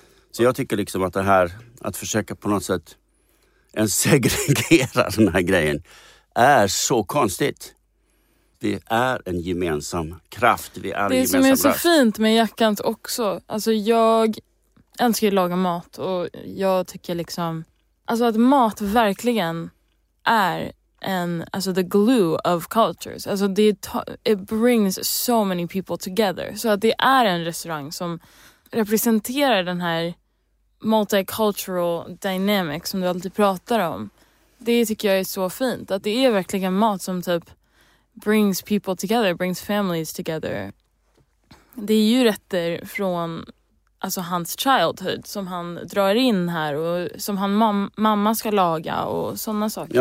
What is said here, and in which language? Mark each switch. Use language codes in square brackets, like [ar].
[sv] Så jag tycker liksom att det här, att försöka på något sätt en segregera den här grejen, är så konstigt. Vi är en gemensam kraft. Vi är en gemensam röst. Det som är så fint med jackant också. Alltså jag älskar ju att laga mat. Och jag tycker liksom, alltså att mat verkligen är... [en] And [sv] alltså [en] the glue of cultures. [sv] Alltså [en] it brings so many people together. [sv] Så att det är en restaurang som representerar den här [en] multicultural dynamic [sv] som du alltid pratar om. Det tycker jag är så fint. Att det är verkligen mat som typ [en] brings people together, brings families together. [sv] Det är ju rätter från alltså hans childhood som han drar in här och som han mamma ska laga och sådana saker.